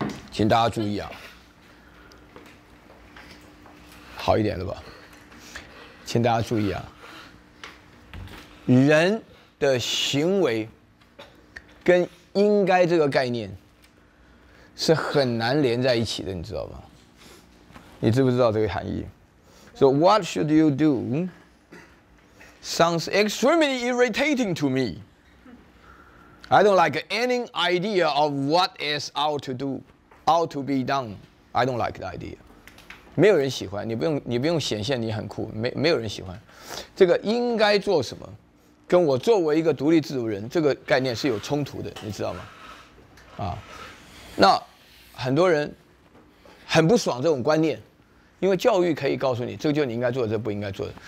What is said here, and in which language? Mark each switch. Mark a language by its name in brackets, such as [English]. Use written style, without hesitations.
[Chinese] 请大家注意啊，好一点了吧？请大家注意啊，人的行为跟应该这个概念是很难连在一起的，你知道吗？你知不知道这个含义？ [English] So what should you do sounds extremely irritating to me. I don't like any idea of what is ought to do, ought to be done. I don't like the idea. [Chinese] 没有人喜欢，你不用显现你很酷，没有人喜欢。这个应该做什么跟我作为一个独立自主人这个概念是有冲突的，你知道吗？啊，那很多人很不爽这种观念，因为教育可以告诉你，这就你应该做的，这不应该做的。